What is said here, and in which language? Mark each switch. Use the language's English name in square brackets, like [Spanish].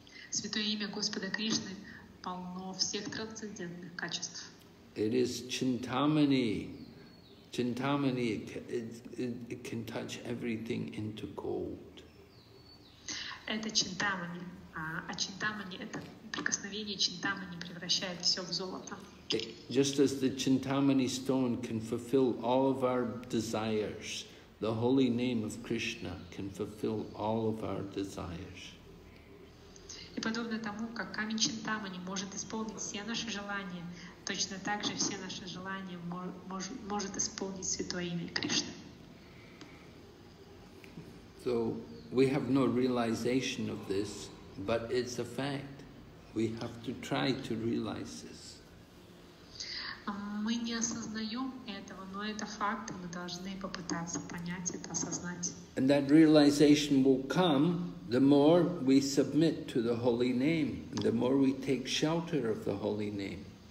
[Russian] Святое имя Господа Кришны полно всех трансцендентных качеств. [English] It is Chintamani. Chintamani, it can touch everything into gold. [Russian] Это чинтамани, а чинтамани это прикосновение чинтамани превращает все в золото. [English] Just as the chintamani stone can fulfill all of our desires, the holy name of Krishna can fulfill all of our desires. [Russian] И подобно тому, как камень чинтамани может исполнить все наши желания. Точно так же все наши желания может исполнить Святое имя Кришны. [English] So we have no realization of this, but it's a fact. We have to try to realize this. [Russian] Мы не осознаем этого, но это факт, мы должны попытаться понять это, осознать. [English] And that realization will come the more we submit to the Holy Name, the more we take shelter of the Holy Name.